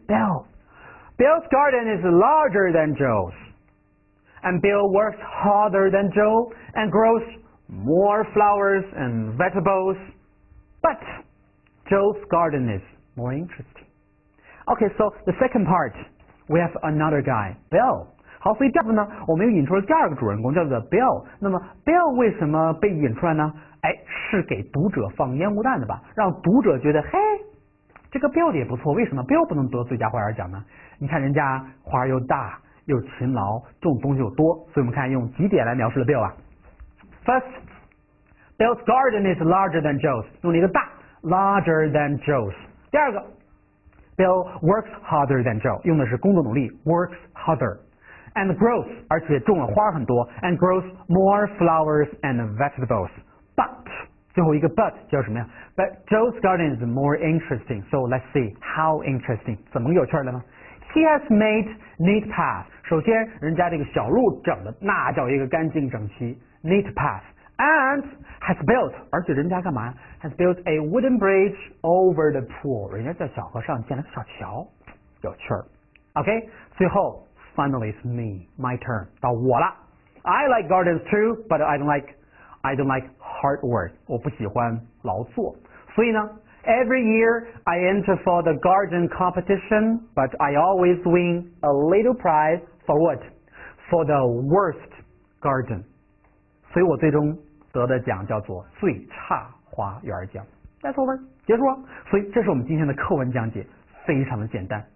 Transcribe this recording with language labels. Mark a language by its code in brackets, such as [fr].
[en] Bill. Bill's garden is larger than Joe's. And Bill works harder than Joe and grows more flowers and vegetables. But Joe's garden is more interesting. Okay, so the second part, we have another guy, Bill. [zh] 好，所以第二部呢，我们又引出了第二个主人公，叫做 Bill。那么 Bill 为什么被引出来呢？哎，是给读者放烟雾弹的吧，让读者觉得嘿，这个 Bill 也不错，为什么 Bill 不能得最佳花园奖呢？你看人家花又大又勤劳，种东西又多，所以我们看用几点来描述了 Bill 啊。 [en] First, Bill's garden is larger than Joe's， [zh] 用了一个大 [en] larger than Joe's。 [zh] 第二个， [en] Bill works harder than Joe， [zh] 用的是工作努力 [en] works harder。 And grows， [zh] 而且种了花很多 [en] and grows more flowers and vegetables。 [zh] 最后一个 but 叫什么呀？ [en] But Joe's garden is more interesting. So let's see how interesting. [zh] 怎么有趣了呢？ [en] He has made neat path. [zh] 首先人家这个小路整的那叫一个干净整齐， [en] neat path. And has built， [zh] 而且人家干嘛？ [en] Has built a wooden bridge over the pool. [zh] 人家在小河上建了个小桥，有趣。 [en] OK， [zh] 最后 [en] finally it's me， my turn， [zh] 到我了。 [en] I like gardens too， but I don't like hard work， [zh] 我不喜欢劳作。所以呢 [en] ，Every year I enter for the garden competition， but I always win a little prize for what？ For the worst garden。 [zh] 所以我最终得的奖叫做最差花园奖。 [en] That's over， [zh] 结束了。所以这是我们今天的课文讲解，非常的简单。